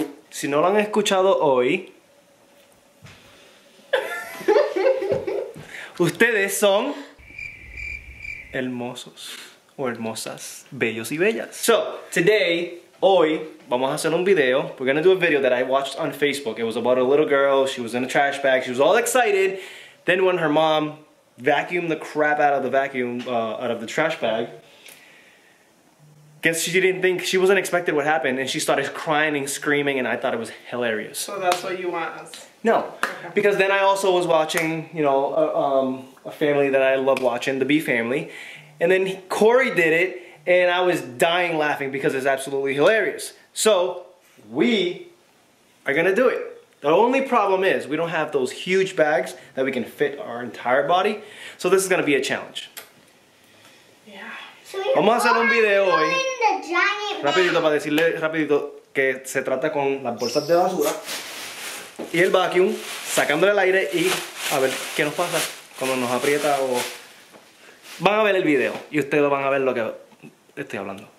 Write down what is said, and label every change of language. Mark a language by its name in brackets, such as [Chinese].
[Spanish] Si no lo han escuchado hoy, ustedes son hermosos o hermosas, bellos y bellas. [English] So, today, [Spanish] hoy, vamos a hacer un video. [English] We're gonna do a video that I watched on Facebook. It was about a little girl, she was in a trash bag, she was all excited. Then when her mom vacuumed the crap out of the vacuum, out of the trash bag, guess she didn't think, she wasn't expecting what happened, and she started crying and screaming, and I thought it was hilarious. So that's what you want us? No, because then I also was watching, you know, a family that I love watching, the B family, and then Corey did it, and I was dying laughing because it's absolutely hilarious. So, we are gonna do it. The only problem is, we don't have those huge bags that we can fit our entire body, so this is gonna be a challenge. [Spanish] Vamos a hacer un video hoy. Rapidito para decirle rapidito que se trata con las bolsas de basura y el vacuum sacándole el aire y a ver qué nos pasa cuando nos aprieta o van a ver el video y ustedes van a ver lo que estoy hablando.